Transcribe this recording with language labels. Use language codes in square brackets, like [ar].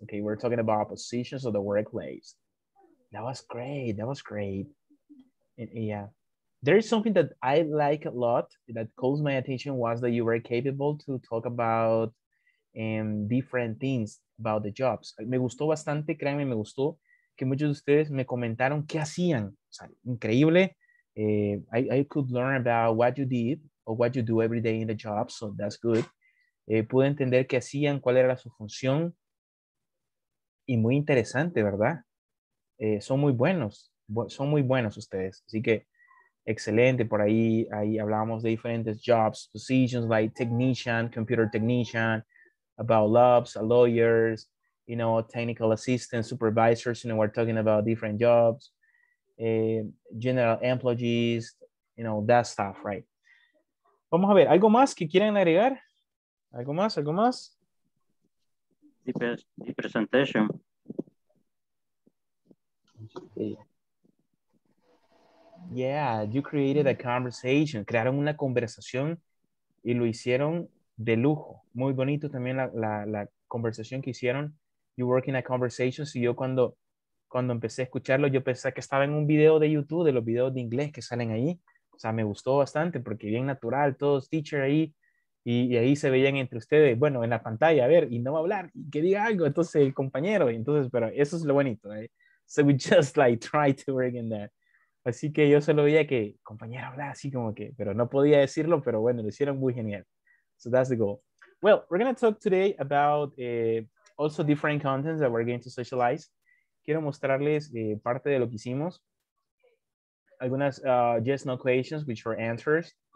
[en] Okay, we're talking about positions of the workplace. That was great. That was great. Yeah. There is something that I like a lot that calls my attention was that you were capable to talk about different things about the jobs. [es] Me gustó bastante, créanme, me gustó que muchos de ustedes me comentaron qué hacían. O sea, increíble. [en] I could learn about what you did or what you do every day in the job, so that's good. [es] Pude entender qué hacían, cuál era su función. Y muy interesante, ¿verdad? Son muy buenos. Son muy buenos ustedes. Así que, excelente. Por ahí, ahí hablábamos de diferentes [en] jobs, positions like technician, computer technician, about labs, lawyers, you know, technical assistants, supervisors, you know, we're talking about different jobs, general employees, you know, that stuff, right? [es] Vamos a ver, ¿algo más que quieran agregar? ¿Algo más, algo más? [en] The presentation. Okay. Yeah, you created a conversation, [es] crearon una conversación y lo hicieron de lujo. Muy bonito también la conversación que hicieron. [en] You work in a conversation. [es] Si yo cuando empecé a escucharlo, yo pensé que estaba en un video de YouTube, de los videos de inglés que salen ahí. O sea, me gustó bastante porque bien natural, todos teacher ahí. Y ahí se veían entre ustedes, bueno, en la pantalla, a ver, y no va a hablar, y que diga algo, entonces el compañero. Entonces, pero eso es lo bonito. ¿Eh? [en] So we just like try to work in that. [es] Así que yo solo veía que compañero hablaba así como que, pero no podía decirlo, pero bueno, lo hicieron muy genial. [en] So that's the goal. Well, we're going to talk today about also different contents that we're going to socialize. [es] Quiero mostrarles parte de lo que hicimos. Algunas [en] yes, no questions, which were answers.